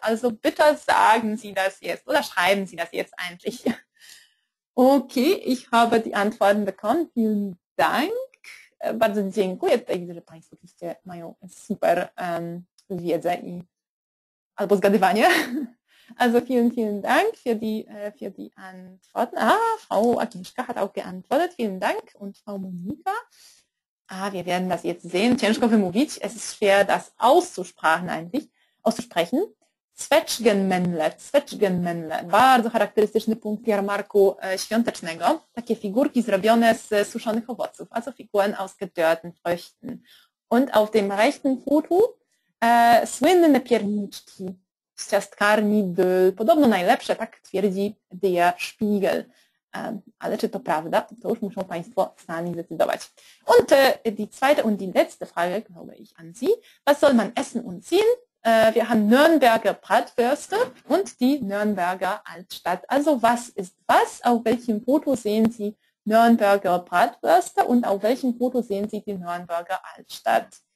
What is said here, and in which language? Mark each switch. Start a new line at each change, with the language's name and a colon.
German: Also bitte sagen Sie das jetzt oder schreiben Sie das jetzt eigentlich. Okay, ich habe die Antworten bekommen. Vielen Dank.
Polish: Bardzo dziękuję. Tutaj widzę, że Państwo oczywiście mają super wiedzę i albo zgadywanie.
German: Also vielen, vielen Dank für die Antworten. Ah, Frau Agnieszka hat auch geantwortet. Vielen Dank. Und Frau Monika. Ah, wir werden das jetzt sehen.
Polish: Ciężko wymówić.
German: Es ist schwer, das auszusprechen. Zwetschgenmännle.
Polish: Bardzo charakterystyczny punkt jarmarku świątecznego. Takie figurki zrobione z suszonych owoców.
German: Also Figuren aus gedörrten Früchten. Und auf dem rechten Foto
Polish: słynne pierniczki z ciastkarni
German: Döhl.
Polish: Podobno najlepsze, tak twierdzi Der Spiegel. Ale czy to prawda? To już muszą Państwo sami zdecydować.
German: Und die zweite und die letzte Frage, glaube ich, an Sie. Was soll man essen und ziehen? Wir haben Nürnberger Bratwürste und die Nürnberger Altstadt. Also was ist was? Auf welchem Foto sehen Sie Nürnberger Bratwürste und auf welchem Foto sehen Sie die Nürnberger Altstadt?